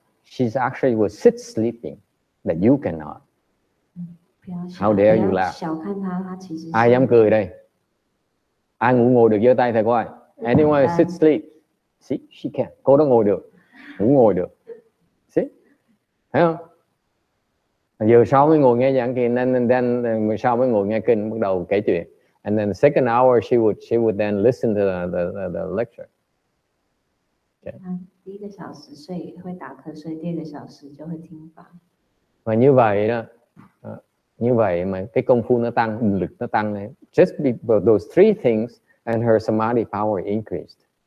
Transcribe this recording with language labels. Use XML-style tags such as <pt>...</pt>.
<en>She actually will sit sleeping that you cannot. How dare you laugh?</en> <vi>Ai dám cười đây? Ai ngủ ngồi được giơ tay thầy coi.</vi> <en>Anyone sit sleep? See, she can.</en> <vi>Cô đã ngồi được. Ngủ ngồi được.</vi> <en>See?</en> <vi>Thấy không? Giờ sau mới ngồi nghe giảng kinh, then sau mới ngồi nghe kinh bắt đầu kể chuyện.</vi> <en>And then the second hour she would then listen to the lecture. Okay.</en> <zh>第一个小时睡会打瞌睡，第二个小时就会听法。</zh> <vi>và như vậy mà cái công phu nó tăng, lực nó tăng lên.</vi> <en>Just because those three things and her samadhi power increased.</en>